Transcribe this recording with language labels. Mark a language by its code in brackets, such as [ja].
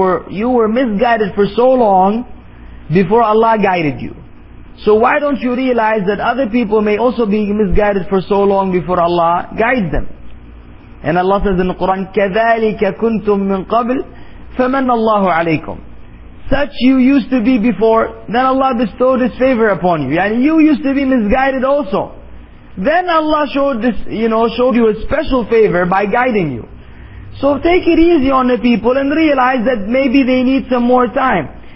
[en] You were misguided for so long before Allah guided you. So why don't you realize that other people may also be misguided for so long before Allah guides them? And Allah says in the Quran, [ar] كَذَلِكَ كُنْتُم مِّن قَبْلِ فَمَنَّ اللَّهُ عَلَيْكُمْ. [en] Such you used to be before, then Allah bestowed His favor upon you. And you used to be misguided also. Then Allah showed you a special favor by guiding you. So take it easy on the people and realize that maybe they need some more time.